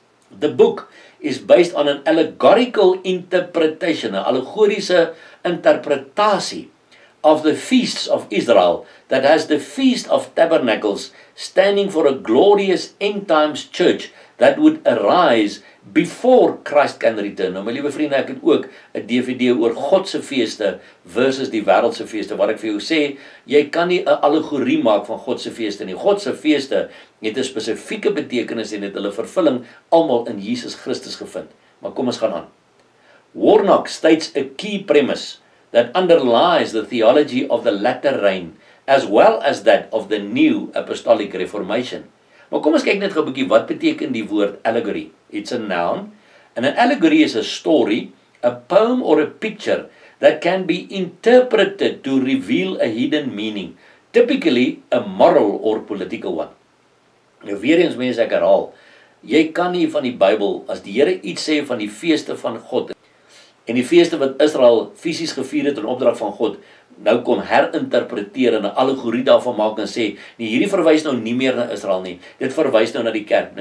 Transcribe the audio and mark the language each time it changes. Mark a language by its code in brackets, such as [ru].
[en] The book is based on an allegorical interpretation, an [af] allegorische interpretatie [en] of the feasts of Israel that has the Feast of Tabernacles standing for a glorious end times church that would arise before Christ can return. [af] Nou, my liewe vriende, ek het ook 'n DVD oor Godse feeste versus die wêreldse feeste, wat ek vir jou sê, jy kan nie 'n allegorie maak van Godse feeste nie. Godse feeste het 'n spesifieke betekenis en het hulle vervulling almal in Jesus Christus gevind. Maar kom ons gaan aan. [en] Warnock states a key premise that underlies the theology of the latter rain, as well as that of the new apostolic reformation. [af] Maar kom ons kyk net gou 'n bietjie wat beteken die woord allegory. [en] It's a noun, and an allegory is a story, a poem or a picture that can be interpreted to reveal a hidden meaning, typically a moral or political one. [af] Nou weer eens mense, ek herhaal, jy kan nie van die Bybel, as die Here iets sê van die feeste van God, en die feeste wat Israel fisies gevier het in opdrag van God, nou kom herinterpreteer en 'n allegorie daarvan maak en sê, nee, hierdie verwys nou nie meer na Israel nie, dit verwys nou na die kerk.